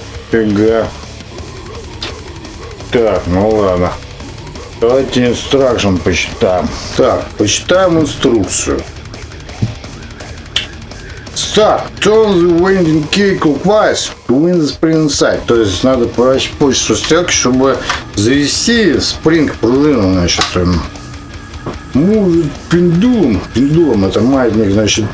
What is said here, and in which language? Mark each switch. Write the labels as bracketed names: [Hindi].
[Russian] Фига. Так, ну ладно. Давайте инструкцию почитаем. Так, почитаем инструкцию. [English] Start. Turn the winding key clockwise to win the spring inside. [Russian] То есть надо поворачивать почту стрелки, чтобы завести спринг пружину, значит. [English] Move the pendulum. [Russian] Pendulum это маятник, значит.